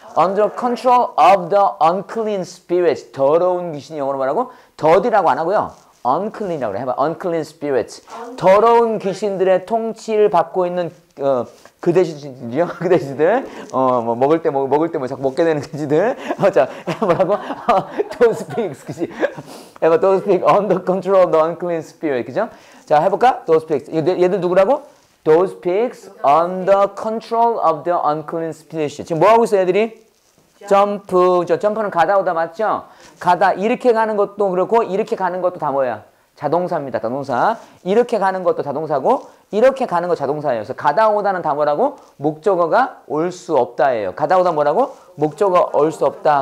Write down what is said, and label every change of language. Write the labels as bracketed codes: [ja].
[en] under control of the unclean spirits [ko] 더러운 귀신이 영어로 뭐라고? dirty라고 안 하고요. unclean이라고 해봐 [en] unclean spirits [ko] 더러운 귀신들의 통치를 받고 있는 그 돼지들이요? 그 돼지들? 뭐 먹을 때 자꾸 먹게 되는 돼지들? 자, 뭐라고? [en] those pigs, [ko] 그치? 해봐, [en] those pigs under control of the unclean spirit, [ko] 그죠? 자, 해볼까? [en] those pigs. [ko] 얘들 누구라고? [en] those pigs under control of the unclean spirit. [ko] 지금 뭐하고 있어, 얘들이? 점프. 저 점프는 가다 오다 맞죠? 가다, 이렇게 가는 것도 그렇고, 이렇게 가는 것도 다 뭐야? 자동사입니다. 자동사. 이렇게 가는 것도 자동사고 이렇게 가는 거 자동사예요. 그래서 가다 오다는 다 뭐라고? 목적어가 올 수 없다예요. 가다 오다 뭐라고? 목적어 올 수 없다.